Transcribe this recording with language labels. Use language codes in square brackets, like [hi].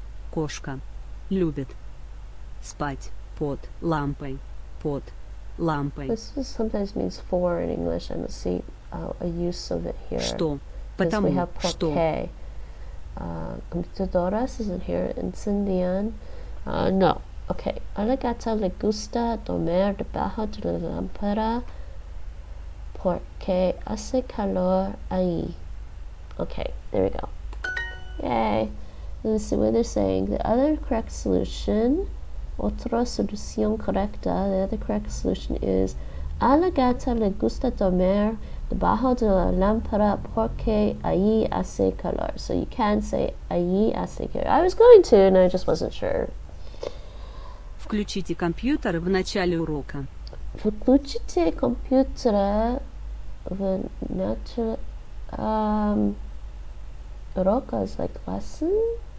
[ru] Кошка любит спать под лампой. Под лампой. [en] This is sometimes means for in English, and let's see. A use of it here. [ru] Что? Потому что. [en] Because we have por qué. Computadoras isn't here. Incendian. No. Okay. [es] A la gata le gusta dormir debajo de la lámpara porque hace calor ahí. [en] Okay. There we go. Yay. Let's see what they're saying. The other correct solution, [es] otra solución correcta, [en] the other correct solution is [es] a la gata le gusta dormir debajo de la lámpara porque allí hace calor. [en] So you can say [es] allí hace calor. [en] I was going to, and I just wasn't sure. [ru] Включите компьютер в начале урока. Включите компьютер в начале урока [en] is like lesson.